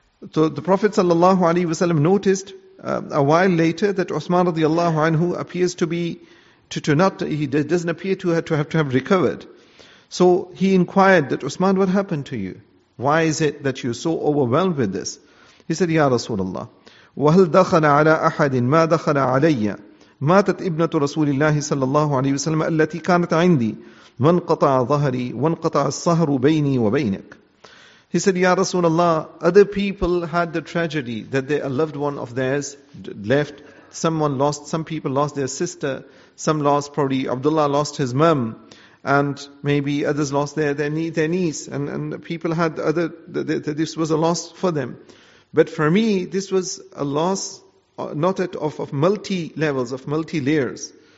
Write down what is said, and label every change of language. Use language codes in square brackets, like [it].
[en] So the Prophet sallallahu alaihi wasallam noticed a while later that Uthman radiallahu anhu appears to be doesn't appear to have recovered. So he inquired that, Uthman, what happened to you? Why is it that you're so overwhelmed with this? He said, Ya Rasulullah, [ar] وَهَلْ دَخَلَ عَلَىٰ أَحَدٍ مَا دَخَلَ عَلَيَّ مَاتَتْ إِبْنَةُ رَسُولِ اللَّهِ صَلَّى اللَّهُ عَلَيْهِ وَسَلَّمَ أَلَّتِي كَانَتْ عِنْدِي وَانْقَطَعَ ظَهَرِي وَانْقَطَعَ الصَّهْرُ بَيْنِي وَبَيْنَكَ. [en] He said, Ya Rasulullah, other people had the tragedy that a loved one of theirs left. Some people lost their sister. Some lost, probably Abdullah lost his mum. And maybe others lost their niece. And people had other, this was a loss for them. But for me, this was a loss, not at of multi levels, of multi layers.